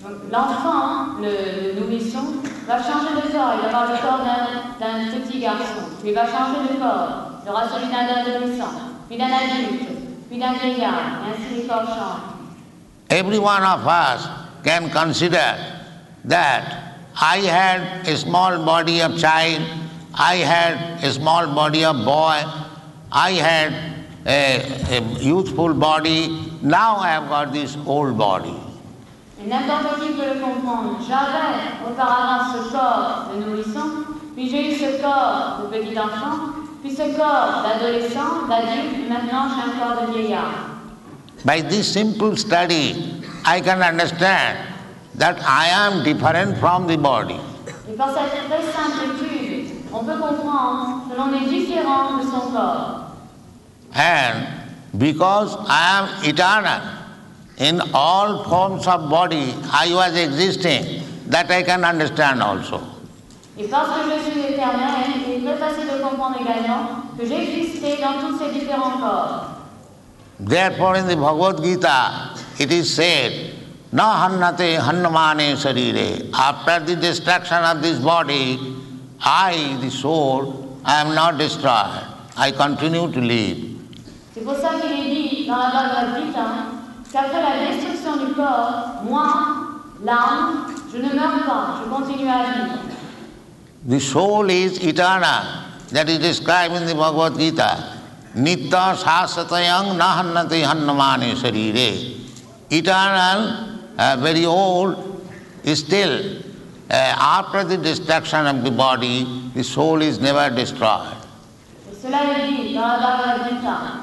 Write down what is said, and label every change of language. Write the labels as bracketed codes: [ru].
[fr] L'enfant, le nourrisson, va changer de corps. Il va avoir le corps d'un petit garçon. Puis il va changer de corps. Il aura celui d'un adolescent, puis d'un adulte, puis d'un vieillard. Et ainsi, les corps changent. [en] Every one of us can consider that I had a small body of child, I had a small body of boy, I had a youthful body, now I have got this old body. [fr] Et n'importe qui peut le comprendre. J'avais auparavant ce corps de nourrisson, puis j'ai eu ce corps de petit enfant, puis ce corps d'adolescent, d'adulte, maintenant j'ai un corps de vieillard. [en] By this simple study, I can understand that I am different from the body. [fr] Et par cette très simple étude, on peut comprendre que l'on est différent de son corps. [en] And because I am eternal, in all forms of body, I was existing, that I can understand also. [fr] Et parce que je suis éternel, il est très facile de comprendre également que j'existais dans tous ces différents corps. [en] Therefore, in the Bhagavad Gita, it is said, [sa] na hannate hannamane sarire. [en] After the destruction of this body, I, the soul, I am not destroyed. I continue to live. [fr] C'est pour ça qu'il est dit dans la Bhagavad Gita qu'après la destruction du corps, moi, l'âme, je ne meurs pas, je continue à vivre. [en] The soul is eternal, that is described in the Bhagavad Gita. [sa] Nitya sasatayam nahannati hannamani sarire. [en] Eternal, very old, is still, after the destruction of the body, the soul is never destroyed. [fr] Cela est dit dans la Bhagavad Gita.